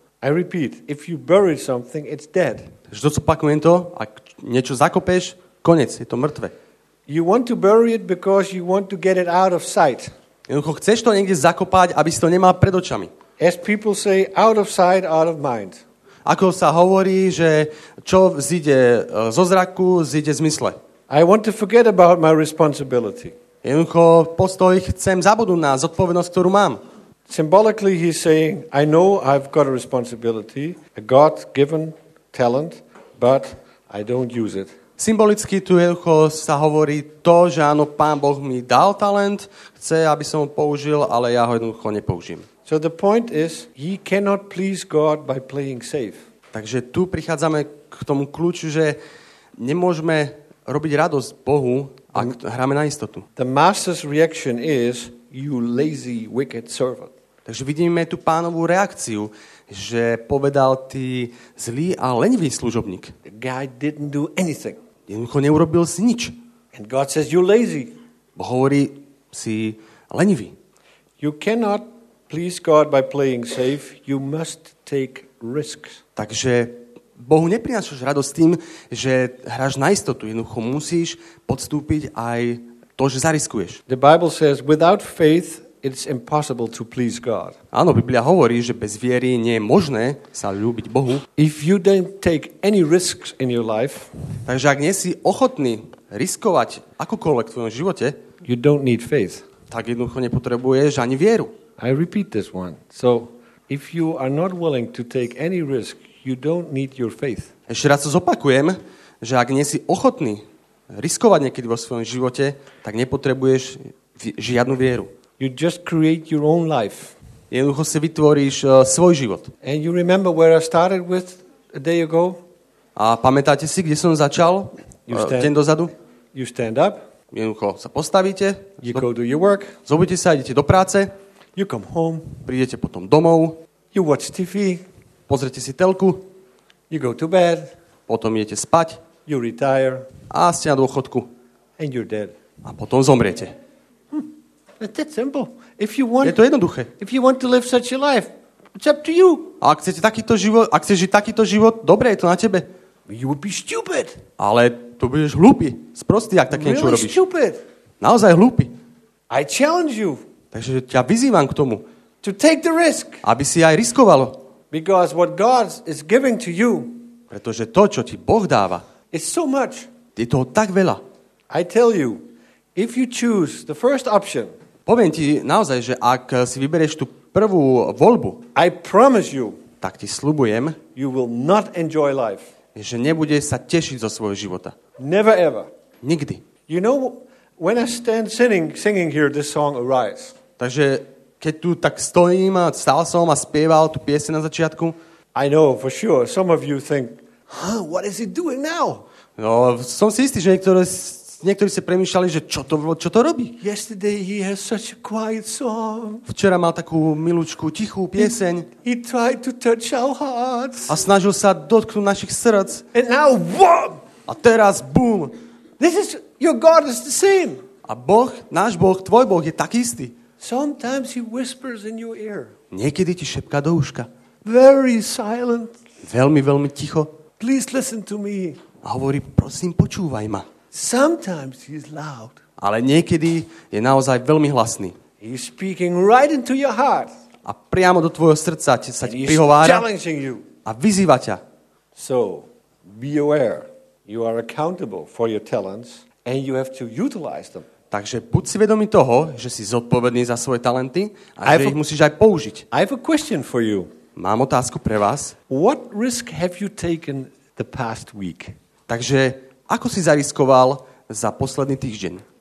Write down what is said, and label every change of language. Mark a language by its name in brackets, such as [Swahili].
[English] I repeat, if you bury something, it's dead. [Slovak] Takže to, co opakujem to, ak niečo zakopeš, koniec, je to mŕtve. [English] You want to bury it because you want to get it out of sight. [Slovak] Jednoducho, chceš to niekde zakopať, aby si to nemal pred očami. [English] As people say, out of sight, out of mind. [Slovak] Ako sa hovorí, že čo zíde zo zraku, zíde z mysle. [English] I want to forget about my responsibility. [Slovak] Jednoducho, postoj, chcem zabudnúť na zodpovednosť, ktorú mám. [English] Symbolically he's saying, I know I've got a responsibility, a God-given talent, but I don't use it. [Slovak] Symbolicky tu jednoducho sa hovorí to, že áno, Pán Boh mi dal talent, chce, aby som ho použil, ale ja ho jednoducho nepoužijem. [English] So the point is, he cannot please God by playing safe. [Slovak] Takže tu prichádzame k tomu kľúču, že nemôžeme robiť radosť Bohu, ak hráme na istotu. [English] The master's reaction is, you lazy, wicked servant. [Slovak] Takže vidíme tu Pánovu reakciu, že povedal ty zlý a lenivý služobník. [English] The guy didn't do anything. [Slovak] Jednoducho neurobil si nič. [English] And God says, you lazy. [Slovak] Boh hovorí, si lenivý. [English] You cannot please God by playing safe. You must take risks. [Slovak] Takže Bohu neprinášaš radosť tým, že hráš na istotu. Jednoducho musíš podstúpiť aj to, že zariskuješ. [English] The Bible says, without faith, it's impossible to please God. [Slovak] Áno, Biblia hovorí, že bez viery nie je možné sa ľúbiť Bohu. [English] If you don't take any risks in your life, [Slovak] takže ak nie si ochotný riskovať akokoľvek v tvojom živote, [English] you don't need faith. [Slovak] Tak jednoducho nepotrebuješ ani vieru. [English] I repeat this one. So, if you are not willing to take any risk, you don't need your faith. [Slovak] Ešte raz to zopakujem, že ak nie si ochotný riskovať niekedy vo svojom živote, tak nepotrebuješ žiadnu vieru. [English] You just create your own life. [Slovak] Jednoducho si vytvoríš svoj život. [English] And you remember where I started with a day ago? [Slovak] A pamätáte si, kde som začal? Deň dozadu? [English] You stand up. [Slovak] Jednoducho sa postavíte. [English] You go do your work. [Slovak] Zobudíte sa, idete do práce. [English] You come home. [Slovak] Prídete potom domov. [English] You watch TV. [Slovak] pozrite si telku. [English] You go to bed. [Slovak] Potom idete spať. [English] You retire. [Slovak] A ste na dôchodku. [English] And you're dead. [Slovak] A potom zomriete. [English] That's simple. If you want, [Slovak] je to jednoduché. [English] If you want to live such a life, it's up to you. [Slovak] A ak chcete takýto život, ak chceš žiť takýto život, dobre, je to na tebe. [English] You would be stupid. [Slovak] Ale to budeš hlúpy, sprostý, ak tak niečo [English] really [Slovak] robíš. [English] Stupid. [Slovak] Naozaj hlúpy. [English] I challenge you. [Slovak] Takže ťa vyzývam k tomu. [English] To take the risk. [Slovak] Aby si aj riskovalo. [English] Because what God is giving to you. [Slovak] Pretože to, čo ti Boh dáva. [English] It's so much. [Slovak] Je toho tak veľa. [English] I tell you, if you choose the first option. [Slovak] Poviem ti naozaj, že ak si vyberieš tú prvú voľbu, [English] I promise you, [Slovak] tak ti sľubujem, [English] you will not enjoy life. [Slovak] Že nebude sa tešiť zo svojho života. [English] Never ever. [Slovak] Nikdy. [English] You know, when I stand singing here this song Arise. [Slovak] Takže keď tu tak stojím a stál som a spieval tú pieseň na začiatku, [English] I know for sure some of you think, huh, what is he doing now? [Slovak] No, som si istý, že niektorí si premýšľali, že čo to robí. [English] Yesterday he has such a quiet song. [Slovak] Včera mal takú milúčku, tichú pieseň. [English] He tried to touch our hearts. [Slovak] A snažil sa dotknúť našich srdc. [English] And now, whoa! [Slovak] A teraz, boom! [English] This is, your God is the same. [Slovak] A Boh, náš Boh, tvoj Boh je tak istý. [English] Sometimes he whispers in your ear. [Slovak] Niekedy ti šepká do uška. [English] Very silent. [Slovak] Veľmi, veľmi ticho. [English] Please listen to me. [Slovak] A hovorí, prosím, počúvaj ma. [English] Sometimes he is loud. [Slovak] Ale niekedy je naozaj veľmi hlasný. [English] He is speaking right into your heart. [Slovak] A priamo do tvojho srdca sa ti prihovára. [English] Challenging you. [Slovak] A vyzýva ťa. [English] So, be aware. You are accountable for your talents and you have to utilize them. [Slovak] Takže buď si vedomý toho, že si zodpovedný za svoje talenty a že ich musíš aj použiť. [English] I have a question for you. [Slovak] Mám otázku pre vás. [English] What risk have you taken the past week? [Slovak] Takže ako si zariskoval za posledný týždeň?